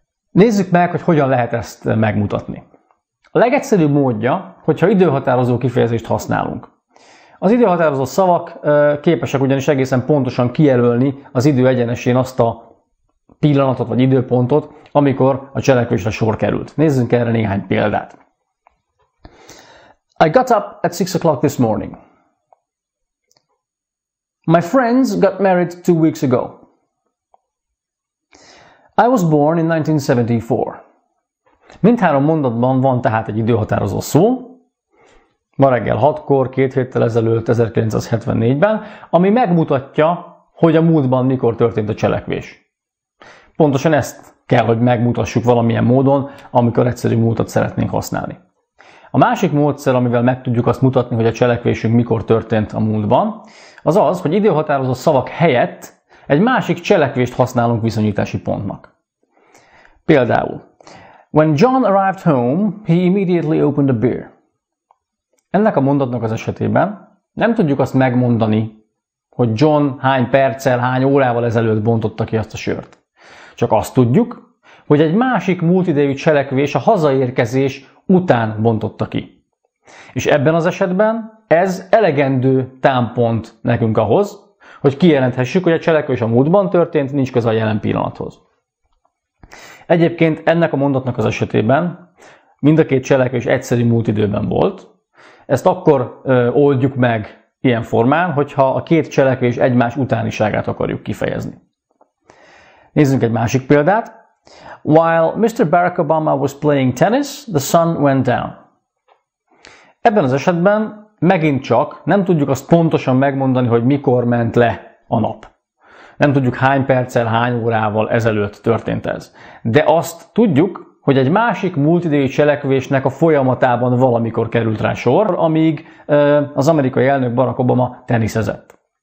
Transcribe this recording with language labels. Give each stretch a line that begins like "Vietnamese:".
Hungarian: Nézzük meg, hogy hogyan lehet ezt megmutatni. A legegyszerűbb módja, hogyha időhatározó kifejezést használunk. Az időhatározó szavak képesek ugyanis egészen pontosan kijelölni az idő egyenesén azt a pillanatot vagy időpontot, amikor a cselekvésre sor került. Nézzünk erre néhány példát.
English: I got up at 6 o'clock this morning. My friends got married 2 weeks ago. I was born in 1974.
Hungarian: Mindhárom mondatban van tehát egy időhatározó szó, ma reggel 6-kor, 2 héttel ezelőtt, 1974-ben, ami megmutatja, hogy a múltban mikor történt a cselekvés. Pontosan ezt kell, hogy megmutassuk valamilyen módon, amikor egyszerű múltat szeretnénk használni. A másik módszer, amivel meg tudjuk azt mutatni, hogy a cselekvésünk mikor történt a múltban, az az, hogy időhatározó szavak helyett egy másik cselekvést használunk viszonyítási pontnak.
English: Például, when John arrived home, he immediately opened a beer.
Hungarian: Ennek a mondatnak az esetében nem tudjuk azt megmondani, hogy John hány perccel, hány órával ezelőtt bontotta ki azt a sört. Csak azt tudjuk, hogy egy másik múltidejű cselekvés a hazaérkezés után bontotta ki. És ebben az esetben ez elegendő támpont nekünk ahhoz, hogy kijelenthessük, hogy a cselekvés a múltban történt, nincs köze a jelen pillanathoz. Egyébként ennek a mondatnak az esetében mind a két cselekvés egyszerű múltidőben volt. Ezt akkor oldjuk meg ilyen formán, hogyha a két cselekvés egymás utániságát akarjuk kifejezni. Nézzünk egy másik példát.
English: While Mr. Barack Obama was playing tennis, the sun went down.
Hungarian: Ebben az esetben megint csak nem tudjuk azt pontosan megmondani, hogy mikor ment le a nap. Nem tudjuk hány perccel, hány órával ezelőtt történt ez. De azt tudjuk, hogy egy másik múltidejű cselekvésnek a folyamatában valamikor került rá sor, amíg az amerikai elnök Barack Obama teniszezett.